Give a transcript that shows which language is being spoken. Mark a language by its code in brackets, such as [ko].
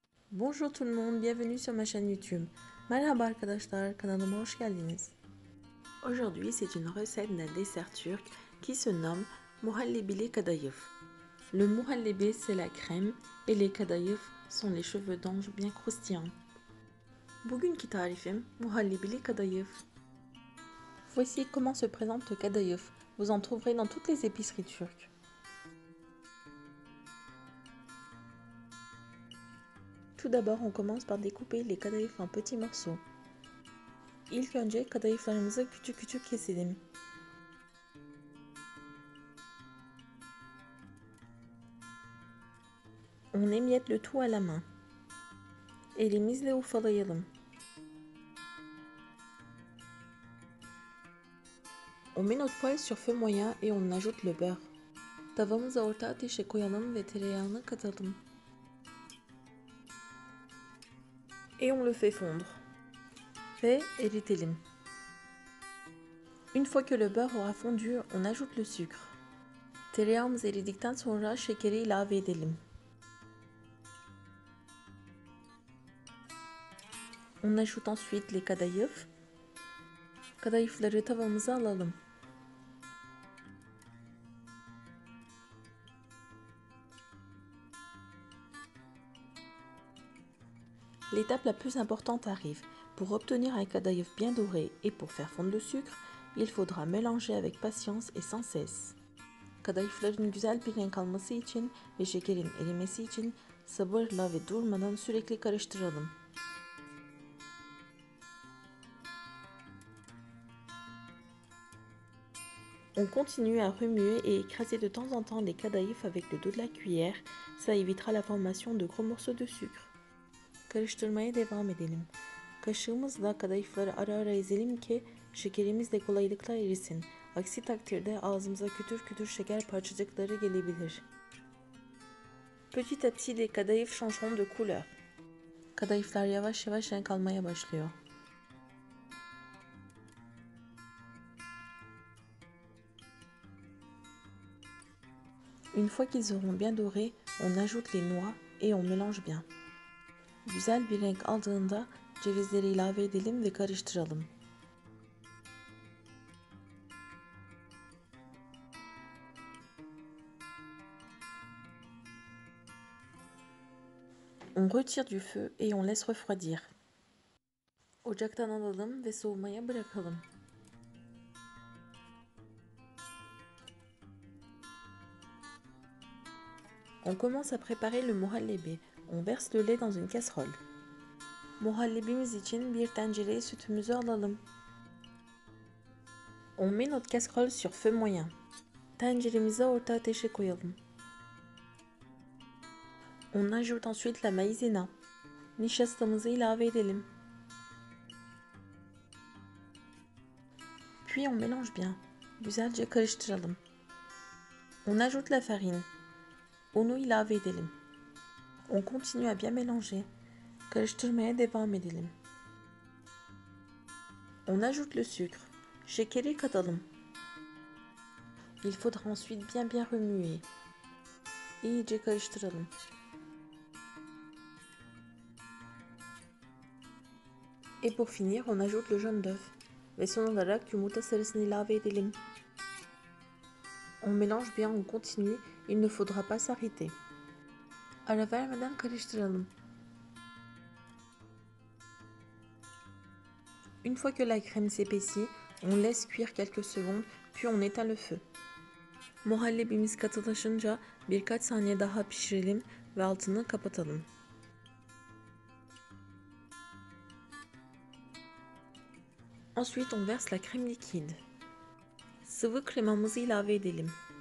[fr] Bonjour tout le monde, bienvenue sur ma chaîne YouTube. [tr] Merhaba arkadaşlar, kanalıma hoş geldiniz. [fr] Aujourd'hui, c'est une recette d'un dessert turc qui se nomme muhallebili kadayıf. Le muhallebi, c'est la crème et les kadayıf sont les cheveux d'ange bien croustillants. [tr] Bugünkü tarifim muhallebili kadayıf. [fr] Voici comment se présente le kadayıf. Vous en trouverez dans toutes les épiceries turques. Tout d'abord, on commence par découper les kadayıf en petits morceaux. [tr] İlk önce kadayıflarımızı küçük küçük keselim. [fr] On émiette le tout à la main. [tr] Elimizle ufalayalım. [fr] On met notre poêle sur feu moyen et on ajoute le beurre. [tr] Tavamızı orta ateşe koyalım ve tereyağını katalım. [fr] Et on le fait fondre. [tr] Ve eritelim. [fr] Une fois que le beurre aura fondu, on ajoute le sucre. [tr] Tereyağımız eridikten sonra şekeri ilave edelim. [fr] On ajoute ensuite les kadayıf. [tr] Kadayıfları tavamıza alalım. [fr] L'étape la plus importante arrive. Pour obtenir un kadayıf bien doré et pour faire fondre le sucre, il faudra mélanger avec patience et sans cesse. [tr] Kadayıfların güzel pirin kalması için ve şekerin erimesi için sabırla ve durmadan sürekli karıştıralım. [fr] On continue à remuer et écraser de temps en temps les kadayıf avec le dos de la cuillère, ça évitera la formation de gros morceaux de sucre. [tr] Karıştırmaya devam edelim. Kaşığımızla kadayıfları ara ara ezelim ki şekerimiz de kolaylıkla erisin. Aksi takdirde ağzımıza kütür kütür şeker parçacıkları gelebilir. [fr] Petit à petit les kadayıf changeront de couleur. [tr] Kadayıflar yavaş yavaş renk almaya başlıyor. [fr] Une fois qu'ils auront bien doré, on ajoute les noix et on mélange bien. [tr] Güzel bir renk aldığında cevizleri ilave edelim ve karıştıralım. [fr] On retire du feu et on laisse refroidir. [tr] Ocaktan alalım ve soğumaya bırakalım. [fr] On commence à préparer le muhallebi. On verse le lait dans une casserole. [tr] Muhallebimiz için bir tencere sütümüzü alalım. [fr] On met notre casserole sur feu moyen. [tr] Tenceremizi orta ateşe koyalım. [fr] On ajoute ensuite la maïzena. [tr] Nişastamızı ilave edelim. [fr] Puis on mélange bien. [tr] Güzelce karıştıralım. [fr] On ajoute la farine. [tr] Onu ilave edelim. [fr] On continue à bien mélanger. [tr] Karıştırmaya devam edelim. [fr] On ajoute le sucre. [tr] Şekeri katalım. [fr] Il faudra ensuite bien remuer. [tr] İyice karıştıralım. [fr] Et pour finir, on ajoute le jaune d'œuf. [tr] Ve son olarak yumurta sarısını ilave edelim. [fr] On mélange bien, on continue. Il ne faudra pas s'arrêter. [tr] Ara vermeden karıştıralım. [fr] Une fois que la crème s'épaissit, on laisse cuire quelques secondes, puis on éteint le feu. [tr] Muhallebimiz katılaşınca birkaç saniye daha pişirelim ve altını kapatalım. [fr] Ensuite, on verse la crème liquide. [tr] Sıvı kremamızı ilave edelim.